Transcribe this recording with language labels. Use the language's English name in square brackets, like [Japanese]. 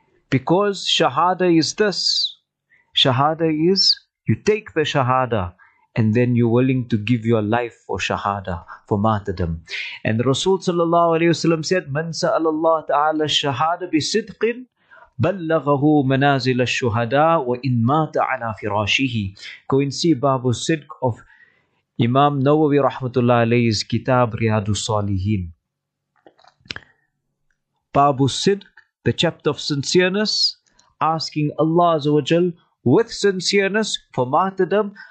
[English] Because shahada is this. Shahada is, you take the shahada, and then you're willing to give your life for shahada, for martyrdom. And Rasul sallallahu alayhi wa sallam said, [Arabic] من سأل الله تعالى الشهادة بصدق بلغه منازل الشهداء وإن مات على فراشه. كوين سي باب الصدق [English] of Imam Nawawi rahmatullah alayhi's kitab Riyadus Salihin. Babu Sidq, the chapter of sincereness, asking Allah Azza wa Jal with sincereness for martyrdom.